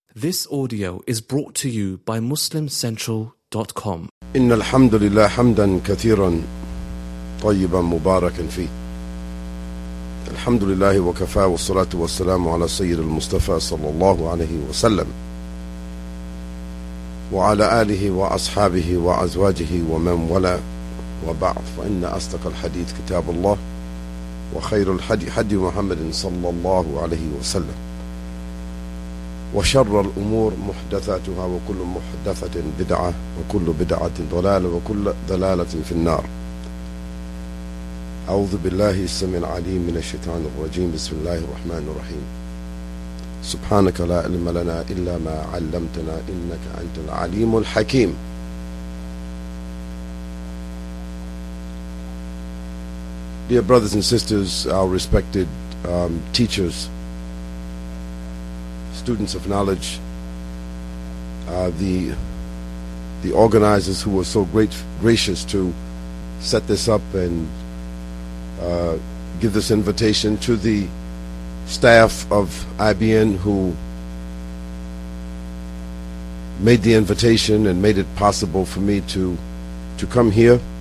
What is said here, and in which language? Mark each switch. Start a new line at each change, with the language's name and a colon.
English: This audio is brought to you by MuslimCentral.com.
Arabic: إن الحمد لله حمدا كثيرا طيبا مباركا فيه. الحمد لله وكفى والصلاة والسلام على سيد المصطفى صلى الله عليه وسلم وعلى آله وأصحابه وأزواجه ومن ولا وبعض. فإن أصدق الحديث كتاب الله وخير الحدي حدي محمد صلى الله عليه وسلم وشر الأمور محدثاتها وكل محدثة بدعة وكل بدعة ضلالة وكل ضلالة في النار. أعوذ بالله السميع العليم من الشيطان الرجيم. بسم الله الرحمن الرحيم. سبحانك لا علم لنا إلا ما علمتنا إنك أنت العليم الحكيم.
English: Dear brothers and sisters, our respected teachers, students of knowledge, the organizers who were so gracious to set this up and give this invitation, to the staff of IBN who made the invitation and made it possible for me to come here,